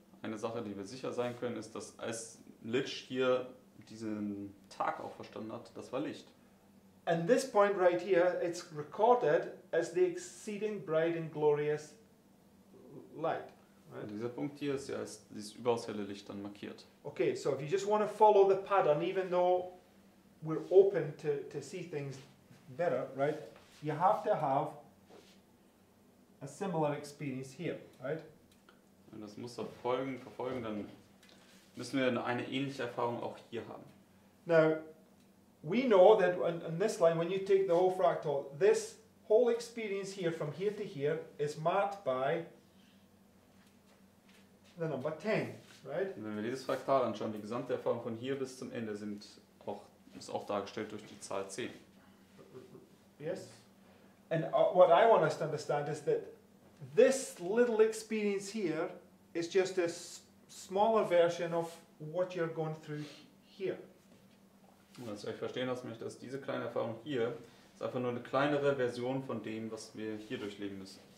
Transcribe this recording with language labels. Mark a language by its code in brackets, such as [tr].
[de] Eine Sache, die wir sicher sein können, ist, dass als Litsch hier diesen Tag auch verstanden hat, das war Licht. [en] And this point right here, it's recorded as the exceeding bright and glorious light. Right? [de] Und dieser Punkt hier ist ja als dieses überaus helle Licht dann markiert. [en] Okay, so if you just want to follow the pattern, even though we're open to see things better, right? You have to have a similar experience here, right? [de] Und das muss doch verfolgen, dann müssen wir eine ähnliche Erfahrung auch hier haben. [en] Now, we know that on this line, when you take the whole fractal, this whole experience here, from here to here, is marked by the number 10, right? [de] Und wenn wir dieses Fraktal anschauen, die gesamte Erfahrung von hier bis zum Ende ist auch dargestellt durch die Zahl 10. [en] Yes? And what I want us to understand is that this little experience here is just a smaller version of what you're going through here. [de] Und dass ihr euch verstehen lassen möchte, dass diese kleine Erfahrung hier ist einfach nur eine kleinere Version von dem, was wir hier durchleben müssen.